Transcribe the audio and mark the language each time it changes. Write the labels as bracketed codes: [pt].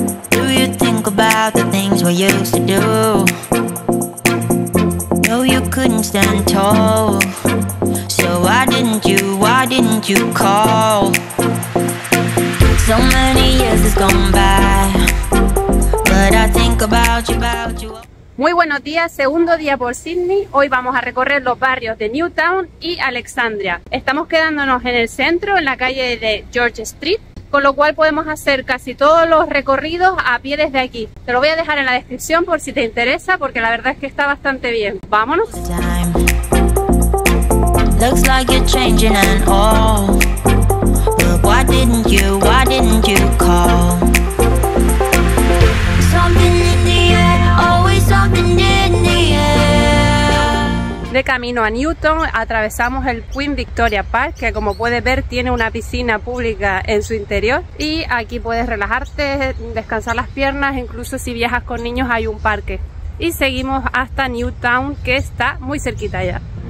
[en] Do you think about the things we used to do? No, you couldn't stand tall. So why didn't you call? So many years has gone by, but I think about you. [es] Muy buenos días, segundo día por Sydney. Hoy vamos a recorrer los barrios de Newtown y Alexandria. Estamos quedándonos en el centro, en la calle de George Street, con lo cual podemos hacer casi todos los recorridos a pie desde aquí. Te lo voy a dejar en la descripción por si te interesa, porque la verdad es que está bastante bien. Vámonos. [en] Looks like you're changing and all. Why didn't you call? Something in the air, always something in the air. [es] De camino a Newtown atravesamos el Queen Victoria Park, que como puedes ver tiene una piscina pública en su interior, y aquí puedes relajarte, descansar las piernas, incluso si viajas con niños hay un parque. Y seguimos hasta Newtown, que está muy cerquita ya.